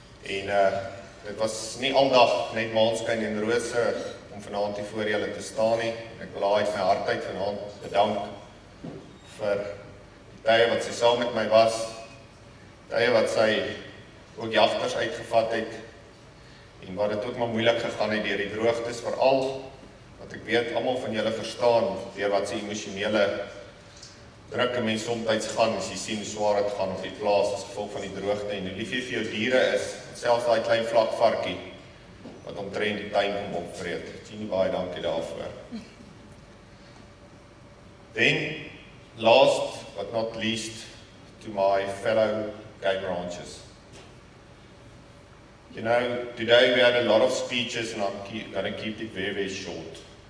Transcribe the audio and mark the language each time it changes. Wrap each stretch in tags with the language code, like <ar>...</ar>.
<af>En dit was nie aldag net maanskyn en rose om vanaand hier voor julle te staan nie. Ek wil haar uit my hart uit vanaand bedank vir die tye wat sy saam met my was, die tye wat sy ook jagters uitgevat het en wat dit ook maar moeilik gegaan het deur die droogtes veral. Wat ek weet, allemaal van julle verstaan, deur wat se emosionele druk en mens somtyds gaan, as jy sien hoe swaar het gaan op die plaas, as gevolg van die droogte, en hoe lief jy vir jou diere is, selfs daai klein vlak varkie, wat omtrent die tuin kom opvreet. Jeannie, baie dankie daarvoor.</af> <en>Then, last but not least, to my fellow game ranchers. You know, today we had a lot of speeches and I'm going to keep it very, very short.</en>